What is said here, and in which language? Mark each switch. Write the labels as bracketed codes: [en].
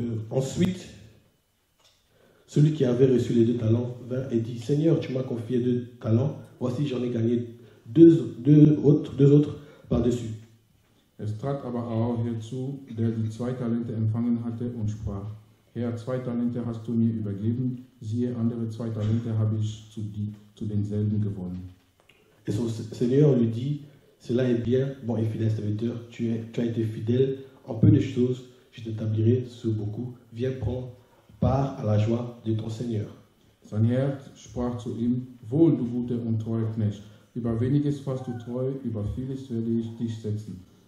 [fr] Ensuite, celui qui avait reçu les 2 talents vint et dit, Seigneur, tu m'as confié 2 talents, voici j'en ai gagné 2 autres par-dessus. [de] Es trat aber auch herzu, der die 2 Talente empfangen hatte und sprach, Herr, 2 Talente hast du mir übergeben, siehe, andere 2 Talente habe ich zu denselben gewonnen. [fr] Et son Seigneur lui dit, cela est bien, bon et fidèle serviteur, tu as été fidèle en peu de choses, je t'établirai sous beaucoup, viens prendre part à la joie de ton Seigneur. [de] Sein Herr sprach zu ihm, wohl du guter und treuer Knecht, über weniges warst du treu, über vieles werde ich dich setzen.